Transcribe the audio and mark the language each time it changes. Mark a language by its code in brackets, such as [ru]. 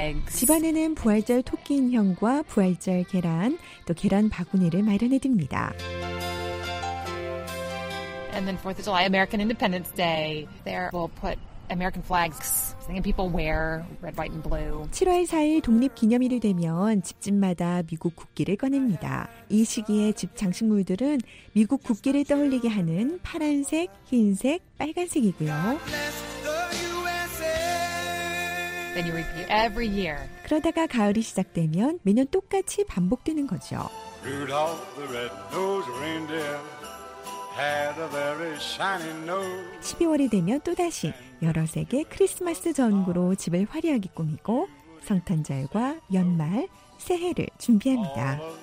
[ko] 집안에는 부활절 토끼 인형과 부활절 계란, 또 계란 바구니를 마련해 둡니다. [en] And then 4th of July, American Independence Day. There we'll put American flags. And people wear red, white, and blue. [ko] 7월 4일 독립기념일이 되면 집집마다 미국 국기를 꺼냅니다. 이 시기에 집 장식물들은 미국 국기를 떠올리게 하는 파란색, 흰색, 빨간색이고요. [en] Then you repeat every year. [ko] 그러다가 가을이 시작되면 매년 똑같이 반복되는 거죠. [en] Rudolph the red-nosed reindeer had a very shiny nose. [ko] 12월이 되면 또다시 여러 색의 크리스마스 전구로 집을 화려하게 꾸미고 성탄절과 연말, 새해를 준비합니다.